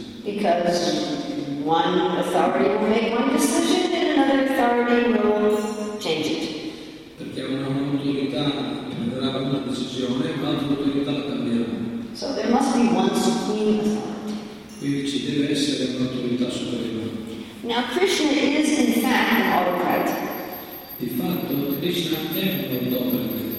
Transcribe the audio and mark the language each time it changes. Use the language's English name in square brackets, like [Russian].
[English] Because one authority will make one decision and another authority will change it. [Italian] Perché una autorità prenderà una decisione e un'altra autorità la cambierà. [English] So there must be one supreme authority. [Italian] Quindi ci deve essere un'autorità superiore. [English] Now Krishna is in fact an autocrat. [Italian] Di fatto Krishna è un autocrat.